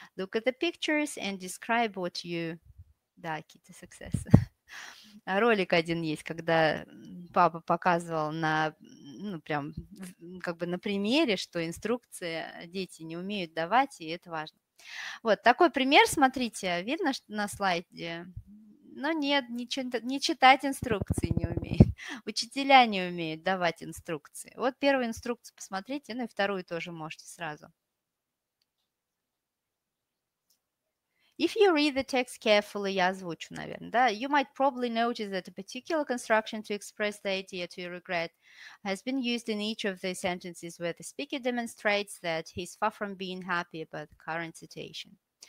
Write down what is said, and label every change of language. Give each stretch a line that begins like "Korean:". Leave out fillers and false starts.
English: Look at the pictures and describe what you...
Russian: Да, какие-то successes. Ролик один есть, когда папа показывал на, ну, прям, как бы на примере, что инструкции дети не умеют давать, и это важно. Вот такой пример, смотрите, видно на слайде? Но нет, не читать инструкции не умеет. Учителя не умеют давать инструкции. Вот первую инструкцию посмотрите, ну и вторую тоже можете сразу.
English: If you read the text carefully,
Russian: я озвучу, наверное, да,
English: you might probably notice that a particular construction to express the idea to regret has been used in each of the sentences where the speaker demonstrates that he's far from being happy about the current situation.